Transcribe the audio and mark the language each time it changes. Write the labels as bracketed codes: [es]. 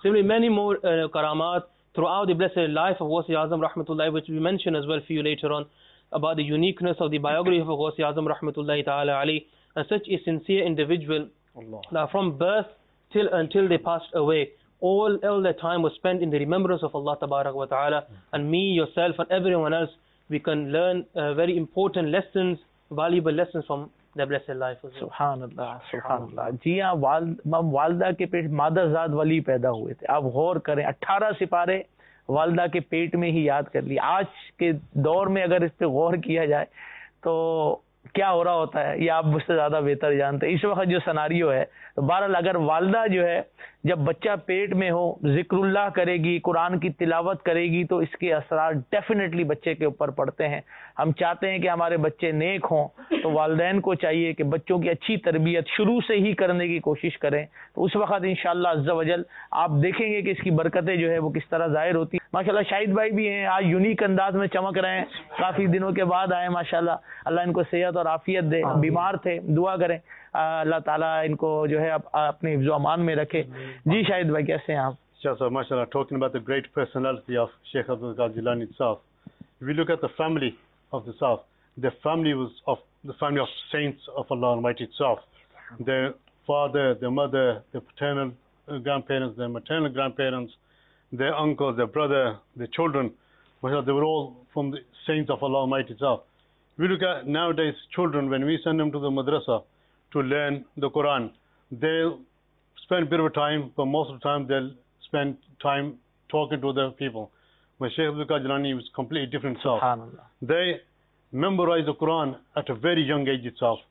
[en] Similarly, many more karamat throughout the blessed life of Ghawth-e Azam rahmatullahi, which we mention as well for you later on about the uniqueness of the biography of Ghawth-e Azam rahmatullahi ta'ala Ali, and such a sincere individual. Allah. That from birth till until they passed away, all their time was spent in the remembrance of Allah tabarak wa ta'ala. And me, yourself and everyone else, we can learn very important lessons, valuable lessons from their blessed life. Subhanallah. [ur] جی ہاں, والدہ کے پیٹ مادہ زاد ولی پیدا ہوئے تھے. آپ غور کریں, 18 سپارے والدہ کے پیٹ میں ہی یاد کر لی. آج کے دور میں اگر اس پہ غور کیا جائے تو کیا ہو رہا ہوتا ہے, یہ آپ مجھ سے زیادہ بہتر جانتے ہیں اس وقت جو سناریو ہے. تو بہرحال اگر والدہ جو ہے جب بچہ پیٹ میں ہو, ذکر اللہ کرے گی, قرآن کی تلاوت کرے گی, تو اس کے اثرات ڈیفینیٹلی بچے کے اوپر پڑتے ہیں. ہم چاہتے ہیں کہ ہمارے بچے نیک ہوں, تو والدین کو چاہیے کہ بچوں کی اچھی تربیت شروع سے ہی کرنے کی کوشش کریں. تو اس وقت انشاءاللہ عزوجل آپ دیکھیں گے کہ اس کی برکتیں جو ہے وہ کس طرح ظاہر ہوتی. ماشاءاللہ شاہد بھائی بھی ہیں, آج یونیک انداز میں چمک رہے ہیں, کافی دنوں کے بعد آئے ماشاءاللہ. اللہ ان کو صحت اور عافیت دے, بیمار تھے, دعا کریں اللہ تعالیٰ ان کو جو ہے اپنے حفظ و امان میں رکھے. جی شاہد بھائی, کیسے ہیں آپ؟ [en] Sir ماشاء اللہ, talking about the great personality of Sheikh Abdul Qadir Jilani sahib, we look at the family of the sahib, the family was of the family of saints of Allah almighty sahib, the father, the mother, the paternal grandparents, the maternal grandparents, the uncle, the brother, the children, ماشاء اللہ, they were all from the saints of Allah almighty sahib. We look at nowadays children, when we send them to the madrasa to learn the Quran, they spend a bit of time, but most of the time they'll spend time talking to other people. My Shaykh Abdul Qadir Jilani was completely different self. SubhanAllah. They memorize the Quran at a very young age itself.